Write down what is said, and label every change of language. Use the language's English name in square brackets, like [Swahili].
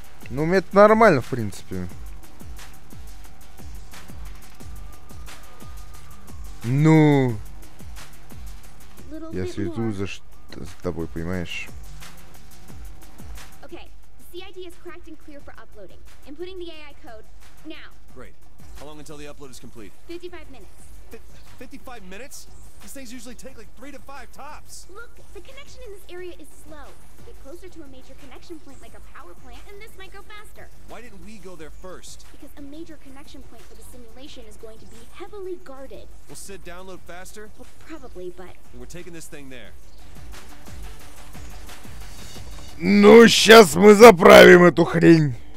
[Russian] Ну, мне это нормально, в принципе. Ну, я слежу за тобой, понимаешь? [English] Okay, CID is cracked and clear for uploading. Inputting the AI code now. Great. How long until the upload is complete? 55 minutes. 55 minutes? These things usually take like 3 to 5 tops. Look, the connection in this area is slow. Get closer to a major connection point like a power plant, and this might go faster. Why didn't we go there first? Because a major connection point for the simulation is going to be heavily guarded. Will Sid download faster? Well, probably, but and we're taking this thing there. [Russian] Ну, сейчас мы заправим эту хрень.